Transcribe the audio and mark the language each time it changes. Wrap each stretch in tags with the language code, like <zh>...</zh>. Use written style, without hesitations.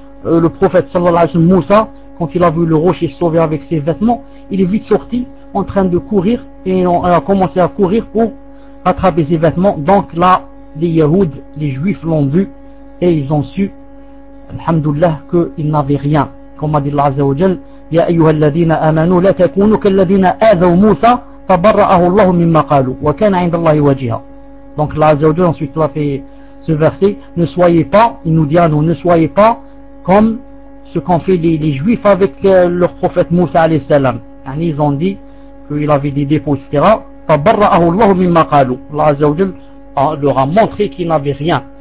<fr>Le prophète sallallahu alayhi wa sallam, Moussa, quand il a vu le rocher sauvé avec ses vêtements, il est vite sorti en train de courir et on a commencé à courir pour attraper ses vêtements. Donc là, les yahoud, les juifs l'ont vu et ils ont su, alhamdoulilah, qu'ils n'avaient rien. Comme a dit Allah Azza wa Jal,</fr> <ar>يا أيها الذين آمنوا لا تكونوا كالذين آذوا موسى فبرأه الله مما قالوا وكان عند الله وجيها.</ar> <fr>Donc Allah Azza wa Jalla ensuite l'a fait ce verset. Ne soyez pas, il nous dit à nous, ne soyez pas comme ce qu'ont fait les juifs avec leur prophète Moussa alayhi salam. Ils ont dit qu'il avait des dépôts, etc.</fr> <ar>فبرأه الله مما قالوا.</ar> <fr>Allah Azza wa Jalla leur a montré qu'il n'avait rien.</fr>